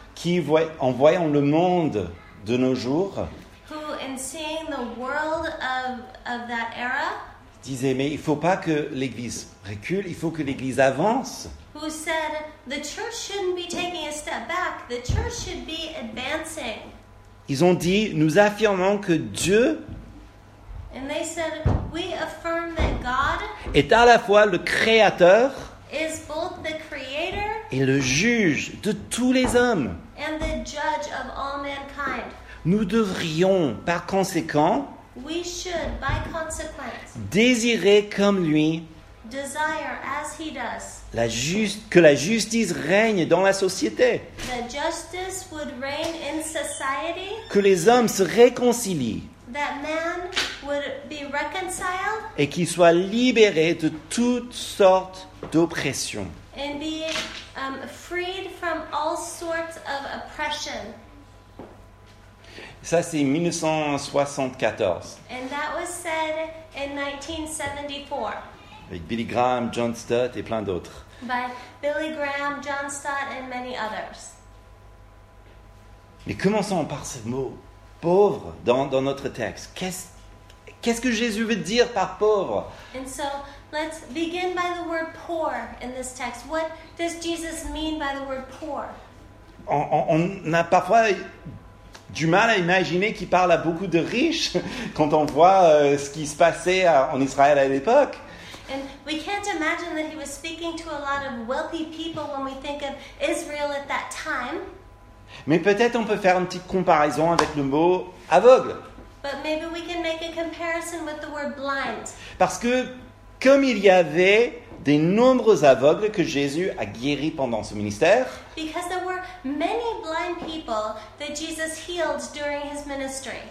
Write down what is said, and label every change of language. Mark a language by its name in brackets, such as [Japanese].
[French] qui en voyant le monde de nos jours, [English] who in seeing the world of that era, [French] disait, mais il ne faut pas que l'Église recule, il faut que l'Église avance. [English] Who said, the church shouldn't be taking a step back, the church should be advancing. [French] Ils ont dit, nous affirmons que Dieu [English] and they said, we affirm that God [French] est à la fois le créateur [English] is both the creator [French] et le juge de tous les hommes. [English] And the judge of all mankind. [French] Nous devrions, par conséquent, [English] we should, by consequence, [French] désirer comme lui [English] desire as he does. [French] La que la justice règne dans la société. [English] That justice would reign in society. [French] Que les hommes se réconcilient. [English] That man would be reconciled. [French] Et qu'ils soient libérés de toutes sortes d'oppressions. [English] And be freed from all sorts of oppression. [French] Ça, c'est 1974. [English] And that was said in 1974. [French] Avec Billy Graham, John Stott et plein d'autres. [English] By Billy Graham, John Stott and many others. [French] Mais commençons par ce mot pauvre dans notre texte. Qu'est-ce que Jésus veut dire par pauvre? [English] And so, let's begin by the word poor in this text. What does Jesus mean by the word poor? [French] On a parfois du mal à imaginer qu'il parle à beaucoup de riches quand on voit ce qui se passait en Israël à l'époque. [English] And we can't imagine that he was speaking to a lot of wealthy people when we think of Israel at that time. [French] Mais peut-être on peut faire une petite comparaison avec le mot aveugle. [English] But maybe we can make a comparison with the word blind. [French] Parce que comme il y avait des nombreux aveugles que Jésus a guéris pendant son ministère, [English] because there were many blind people that Jesus healed during his ministry.